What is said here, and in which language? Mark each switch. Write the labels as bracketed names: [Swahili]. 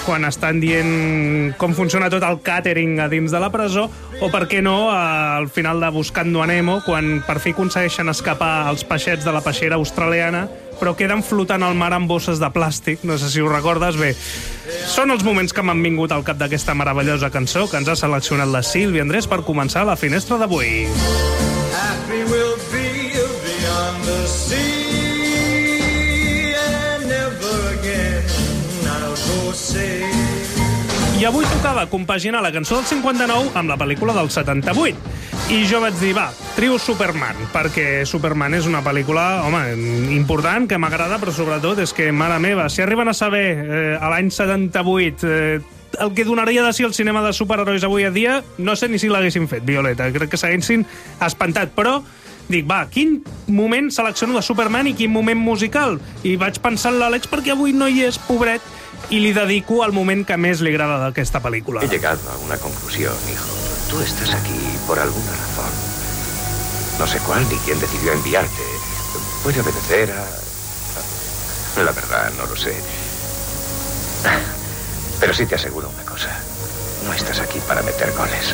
[Catalan] Quan estan dient com funciona tot el catering a dins de la presó, o per què no, al final de Buscando a Nemo, quan per fi aconsegueixen escapar els peixets de la peixera australiana, però queden flotant al mar amb bosses de plàstic, no sé si ho recordes bé. Són els moments que m'han vingut al cap d'aquesta meravellosa cançó que ens ha seleccionat la Sílvia Andrés per començar la finestra d'avui. [English] Happy we'll be beyond the sea and never again I'll go sail. [Catalan] I avui tocava compaginar la cançó del 59 amb la pel·lícula del 78. I jo vaig dir, va, trio Superman, perquè Superman és una pel·lícula, home, important, que m'agrada, però sobretot és que, mare meva, si arriben a saber a l'any 78 el que donaria de si el cinema de superherois avui a dia, no sé ni si l'haguessin fet, Violeta, crec que s'haguessin espantat, però... Dic, va, quin moment selecciono de Superman i quin moment musical? I vaig pensar en l'Àlex perquè avui no hi és, pobret, i li dedico al moment que més li agrada d'aquesta pel·lícula. [Spanish] He llegat a una conclusió, hijo. Tú estás aquí por alguna razón. No sé cuál ni quién decidió enviarte. Puede obedecer a... La verdad, no lo sé. Pero sí te aseguro una cosa. No estás aquí para meter goles.